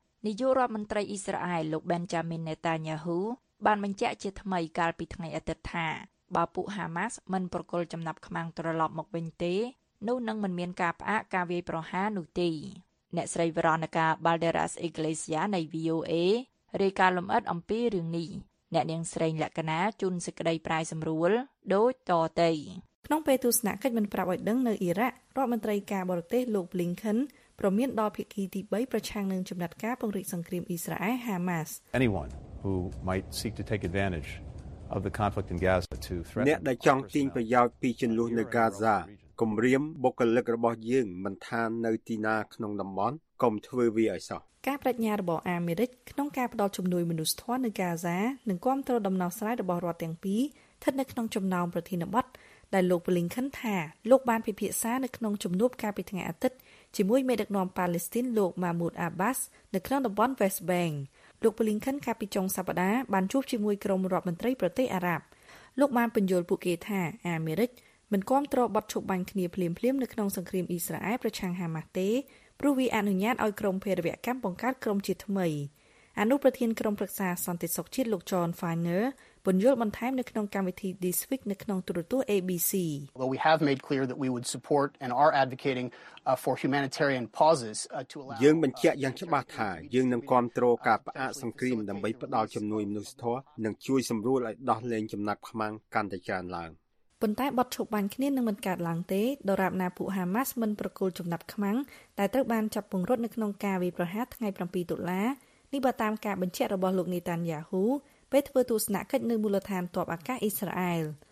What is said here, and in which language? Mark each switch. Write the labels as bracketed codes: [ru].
[km] នាយករដ្ឋមន្ត្រីអ៊ីស្រាអែលលោកបេនចាមីន ណេតាញ៉ាហ៊ូបានបញ្ជាក់ជាថ្មីកាលពីថ្ងៃអាទិត្យថាបើពួកហាម៉ាស់មិនប្រគល់ចំណាប់ខ្មាំងត្រឡប់មកវិញទេនោះនឹងមិនមានការផ្អាកការវាយប្រហារនោះទេអ្នកស្រីវ៉េរ៉ូនីកាបាល់ដេរ៉ាសអេក្លេស៊ីយ៉ានៃ VOA រាយការណ៍លម្អិតអំពីរឿងនេះអ្នកនាងស្រីលក្ខណាជួនសេចក្តីប្រាយសម្រួលដូចតទៅ ក្នុងពេលទស្សនកិច្ចមិនប្រាប់ឲ្យដឹងនៅអ៊ីរ៉ាក់រដ្ឋមន្ត្រីការបរទេសលោកប្លីនខិនប្រមានដល់ភាគីទី3ប្រឆាំងនឹងចំណាត់ការពង្រីកសង្គ្រាមអ៊ីស្រាអែលហាម៉ាស់ [en] Anyone who might seek to take advantage of the conflict in Gaza to threaten [km] អ្នកដែលចង់ទាញប្រយោជន៍ពីជម្លោះនៅហ្គាហ្សាគម្រាមបុគ្គលិករបស់យើងមិនថានៅទីណាក្នុងតំបន់កុំធ្វើវាឲ្យសោះ ការប្រាជ្ញារបស់អាមេរិកក្នុងការផ្តល់ជំនួយមនុស្សធម៌នៅហ្គាហ្សានិងគាំទ្រដំណោះស្រាយរបស់រដ្ឋទាំងពីរស្ថិតនៅក្នុងចំណោមប្រធានបទដែលលោកប្លីនខិនថាលោកបានពិភាក្សានៅក្នុងជំនួបការពីថ្ងៃអាទិត្យជាមួយមេដឹកនាំប៉ាឡេស្ទីនលោកម៉ាមូតអាបាសនៅក្នុងតំបន់ West Bank លោកប្លីនខិនកាលពីចុងសប្តាហ៍បានជួបជាមួយក្រុមរដ្ឋមន្ត្រីប្រទេសអារ៉ាប់ លោកបានបញ្ជាក់ពួកគេថាអាមេរិកមិនគាំទ្របទឈប់បាញ់គ្នាភ្លាមៗនៅក្នុងសង្គ្រាមអ៊ីស្រាអែលប្រឆាំងហាម៉ាស់ទេព្រោះវាអនុញ្ញាតឲ្យក្រុមភេរវកម្មបង្កើតក្រុមជាថ្មីអនុប្រធានក្រុមប្រឹក្សាសន្តិសុខជាតិលោក John Finer ពន្យល់បន្ថែមនៅក្នុងកម្មវិធី This Week នៅក្នុងទូរទស្សន៍ ABC [en] Well we have made clear that we would support and are advocating for humanitarian pauses to allow [km] យើងបញ្ជាក់យ៉ាងច្បាស់ថាយើងនឹងគាំទ្រការផ្អាកសង្គ្រាមដើម្បីផ្តល់ជំនួយមនុស្សធម៌និងជួយសម្រួលឲ្យដោះលែងចំណាប់ខ្មាំងកាន់តែច្រើនឡើង ប៉ុន្តែបទឈប់បាញ់គ្នានឹងមិនកើតឡើងទេដរាបណាពួកហាម៉ាស់មិនប្រគល់ចំណាប់ខ្មាំងតែត្រូវបានចាប់ពង្រត់នៅក្នុងការវាយប្រហារថ្ងៃ7តុលានេះបើតាមការបញ្ជាក់របស់លោកនីតានយ៉ាហ៊ូពេលធ្វើទស្សនកិច្ចនៅមូលដ្ឋានទ័ពអាកាសអ៊ីស្រាអែល